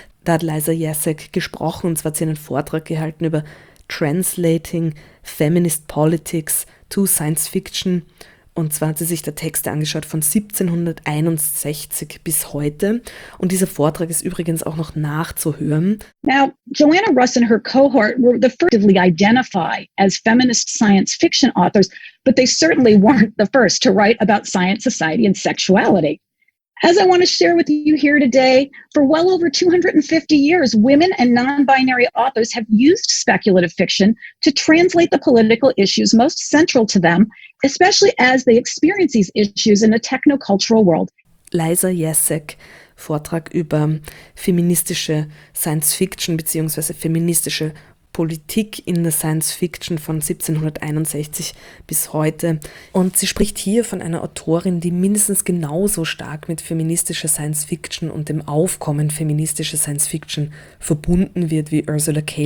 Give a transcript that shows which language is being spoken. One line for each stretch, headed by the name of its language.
German: Da hat Liza Jacek gesprochen, und zwar hat sie einen Vortrag gehalten über Translating Feminist Politics to Science Fiction. Und zwar hat sie sich da Texte angeschaut von 1761 bis heute. Und dieser Vortrag ist übrigens auch noch nachzuhören.
English: Now, Joanna Russ and her cohort were the first to identify as feminist science fiction authors, but they certainly weren't the first to write about science, society and sexuality. As I want to share with you here today, for well over 250 years, women and non-binary authors have used speculative fiction to translate the political issues most central to them, especially as they experience these issues in a technocultural world.
German: Liza Jacek Vortrag über feministische Science Fiction bzw. feministische Politik in der Science Fiction von 1761 bis heute. Und sie spricht hier von einer Autorin, die mindestens genauso stark mit feministischer Science Fiction und dem Aufkommen feministischer Science Fiction verbunden wird wie Ursula K.